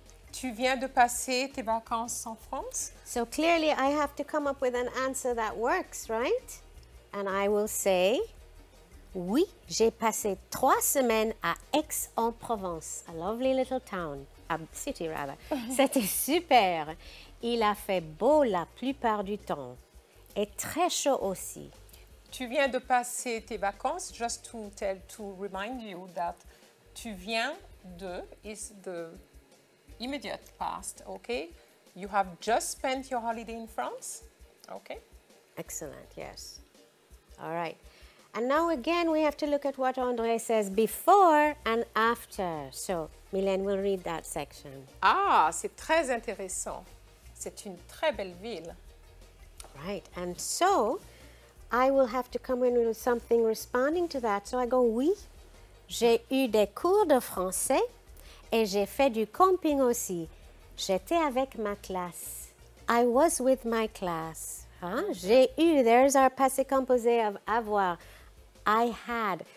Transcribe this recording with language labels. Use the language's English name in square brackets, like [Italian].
[French] Tu viens de passer tes vacances en France? [English] So clearly I have to come up with an answer that works, right? And I will say, [French] Oui, j'ai passé 3 semaines à [English] Aix-en-Provence, a lovely little town, a city rather. [French] C'était super. Il a fait beau la plupart du temps. Et très chaud aussi. tu viens de passer tes vacances, [English] just to tell, to remind you that tu viens de is the immediate past, okay? You have just spent your holiday in France, okay? Excellent, yes. All right. And now again, we have to look at what André says before and after. So, Mylène will read that section. [French] Ah, c'est très intéressant. C'est une très belle ville. [English] Right, and so, I will have to come in with something responding to that. So I go, [French] oui, j'ai eu des cours de français et j'ai fait du camping aussi. J'étais avec ma classe. [English] I was with my class. Huh? J'ai eu, there's our passé composé of avoir. I had.